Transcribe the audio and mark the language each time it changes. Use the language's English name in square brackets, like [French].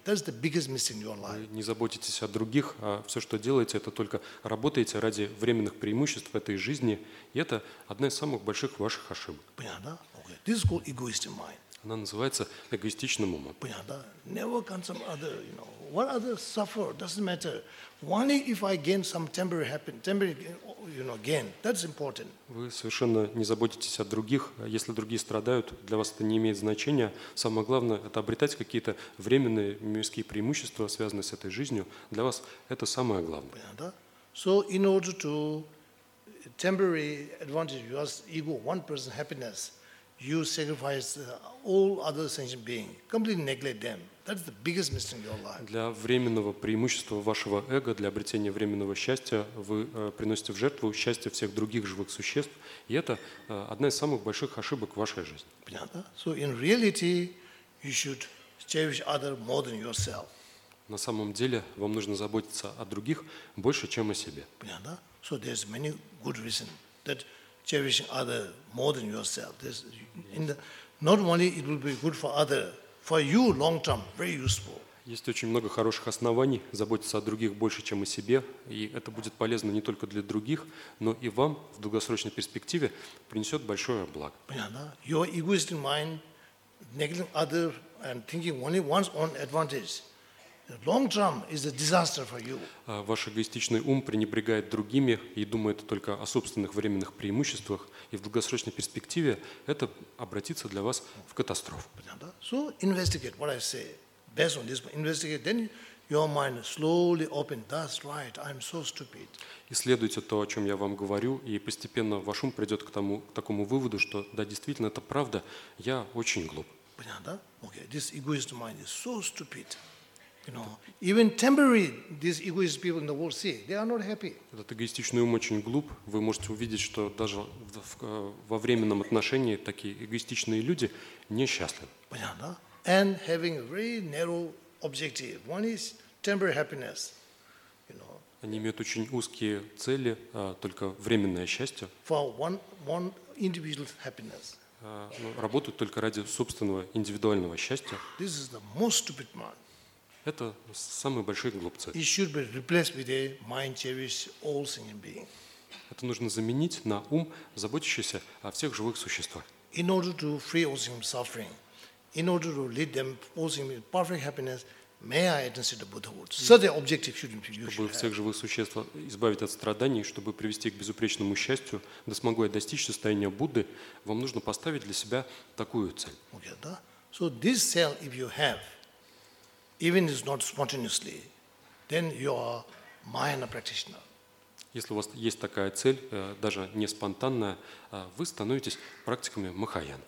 [English] That's the biggest mistake in your life. [Russian] Вы не заботитесь о других, а все, что делаете, это только работаете ради временных преимуществ этой жизни. И это одна из самых больших ваших ошибок. Понятно? [English] Okay. This is called egoistic mind. [Russian] Она называется эгоистичным умом. Понятно? [English] Never concern for other. You know, what others suffer doesn't matter. Only if I gain some temporary happiness, temporary, you know, gain. That's important. [Russian] Вы совершенно не заботитесь о других. Если другие страдают, для вас это не имеет значения. Самое главное – это обретать какие-то временные мирские преимущества, связанные с этой жизнью. Для вас это самое главное. Понятно? [English] So in order to temporary advantage your ego, one person happiness, you sacrifice all other sentient beings, completely neglect them. That's the biggest mistake in your life. [Russian] Для временного преимущества вашего эго, для обретения временного счастья, вы приносите в жертву счастье всех других живых существ, и это одна из самых больших ошибок в вашей жизни. Понятно? [English] So in reality, you should cherish other more than yourself. [Russian] На самом деле вам нужно заботиться о других больше, чем о себе. Понятно? [English] So there's many good reasons that cherishing other more than yourself. There's in the, not only it will be good for other, for you long term, very useful. [Russian] Есть очень много хороших оснований заботиться о других больше, чем о себе, и это будет полезно не только для других, но и вам в долгосрочной перспективе принесет большое благо. Понятно? [English] Your egoistic mind neglecting other and thinking only one's own advantage. Long term is a disaster for you. [Russian] Ваш эгоистичный ум пренебрегает другими и думает только о собственных временных преимуществах, и в долгосрочной перспективе это обратится для вас в катастрофу. Понятно? [English] So investigate what I say. Based on this, investigate, then your mind slowly opens. That's right, I'm so stupid. [Russian] Исследуйте то, о чем я вам говорю, и постепенно ваш ум придет к тому, к такому выводу, что да, действительно, это правда, я очень глуп. Понятно? [English] Okay, this egoist mind is so stupid. You know, even temporary, these egoist people in the world see, they are not happy. [Russian] Этот эгоистичный ум очень глуп. Вы можете увидеть, что даже во временном отношении такие эгоистичные люди несчастливы. Понятно? [English] And having a very narrow objective. One is temporary happiness. You know. [Russian] Они имеют очень узкие цели, только временное счастье. [English] For one individual happiness. [Russian] Работают только ради собственного индивидуального счастья. [English] This is the most stupid man. [Russian] Это самые большие глупцы. [English] It should be replaced with a mind cherishing all sentient beings. [Russian] Это нужно заменить на ум, заботящийся о всех живых существах. [English] In order to free all sentient suffering. In order to lead them posing in perfect happiness, may I attain the Buddha words. So the objective shouldn't be you. [Russian] Чтобы всех живых существ избавить от страданий, чтобы привести к безупречному счастью, да смогу я достичь состояния Будды, вам нужно поставить для себя такую цель. Okay, да? [English] So this cell, if you have, even if it's not spontaneously, then you are Mahayana practitioner. [Russian] Если у вас есть такая цель, даже не спонтанная, вы становитесь практиками Махаян.